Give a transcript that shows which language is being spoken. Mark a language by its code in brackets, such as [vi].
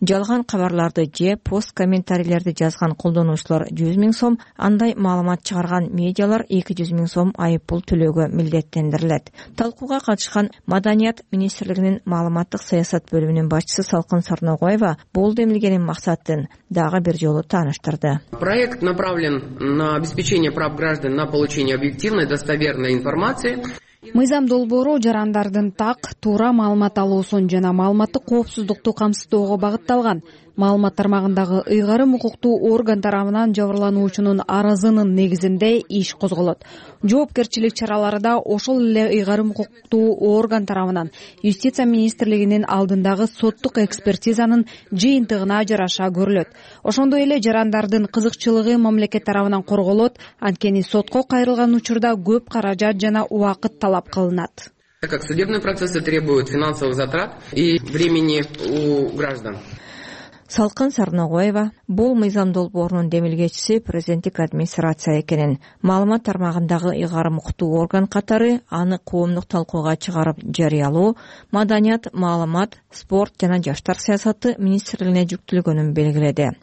[ky] Жалган кабарларды же пост комментарийлерди жазган колдонуучулар 100 000 сом, андай маалымат чыгарган медиалар 200 000 сом айыппул төлөөгө милдеттендирилет. Талкууга катышкан Маданият министрлигинин маалыматтык саясат бөлүмүнүн башчысы Салкын Сарногоева бул демилгенин максатын дагы бир жолу тааныштырды. [ru] Проект направлен на обеспечение прав граждан на получение объективной, достоверной информации. [ky] Мыйзам долбоору жарандардын так, туура маалымат алуусун жана маалыматтык коопсуздукту камсыздоого багытталган. Маалымат тармагындагы ыйгарым укуктуу орган тарабынан жабырлануучунун арызынын негизинде иш козголот. Жоопкерчилик чаралары да ошол эле ыйгарым укуктуу орган тарабынан юстиция министрлигинин алдындагы соттук экспертизанын жыйынтыгына жараша көрүлөт. Ошондой эле жарандардын кызыкчылыгы мамлекет тарабынан корголот, анткени сотко кайрылган учурда көп каражат жана убакыт талап кылынат. [ru] Так как судебные процессы требуют финансовых затрат и времени у граждан. [ky] Салкын Сарногоева бул мыйзам долбоорунун демилгечиси президенттик администрация экенин, маалымат тармагындагы ыйгарым укуктуу орган катары аны коомдук талкууга чыгарып жарыялоо маданият, маалымат, спорт жана жаштар саясаты министрлигине жүктүлгөнүн белгиледи.